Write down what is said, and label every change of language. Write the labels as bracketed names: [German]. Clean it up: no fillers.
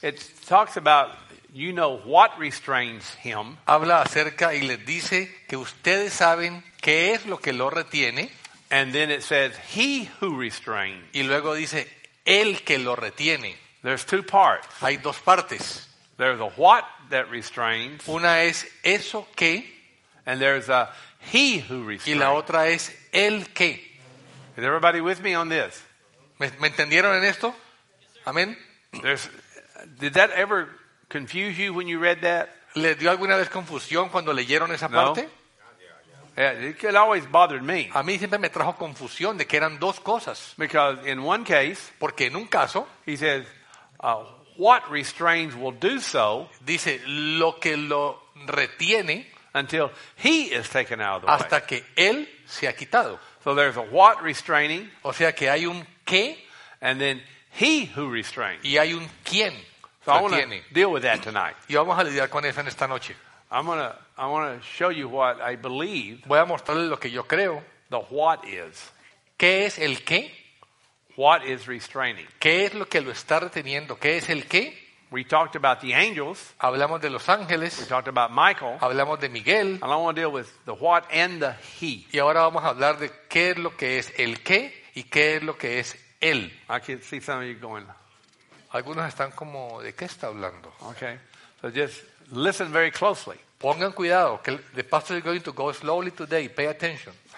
[English] It talks about you know what restrains him. [Spanish] Habla acerca y les dice que ustedes saben qué es lo que lo retiene. [English] And then it says he who restrains. [Spanish] Y luego dice el que lo retiene. [English] There's two parts. [Spanish] Hay dos partes. [English] There's a what that restrains. [Spanish] Una es eso que. [English] And there's a he who restrains. [Spanish] Y la otra es el que. [English] Is everybody with me on this? [Spanish] ¿Me entendieron en esto? Amén. [English] Did that ever confuse you when you read that? [Spanish] ¿Le dio alguna vez confusión cuando leyeron esa parte? [English] It always bothered me. [Spanish] A mí siempre me trajo confusión de que eran dos cosas. [English] Because in one case, [Spanish] porque en un caso, [English] he says, "What restrains will do so." [Spanish] Dice lo que lo retiene [English] until he is taken out of the [Spanish] hasta [English] way. [Spanish] Hasta que él se ha quitado. [English] So there's a what restraining. [Spanish] O sea que hay un qué, [English] and then he who restrains. [Spanish] Y hay un quién. [English] So I want to deal with that tonight. [Spanish] Y vamos a lidiar con eso en esta noche. [English] I want to show you what I believe. [Spanish] Voy a mostrarles lo que yo creo. [English] The what is. [Spanish] ¿Qué es el qué? [English] What is restraining? [Spanish] ¿Qué es lo que lo está reteniendo? ¿Qué es el qué? [English] We talked about the angels. [Spanish] Hablamos de los ángeles. [English] We talked about Michael. [Spanish] Hablamos de Miguel. [English] And I want to deal with the what and the he. [Spanish] Y ahora vamos a hablar de qué es lo que es el qué y qué es lo que es él. [English] I can see some of you going. [Spanish] Algunos están como, ¿de qué está hablando? [English] Okay. So just listen very closely. [Spanish] Pongan cuidado, que [English] the pastor is going to go slowly today. Pay attention.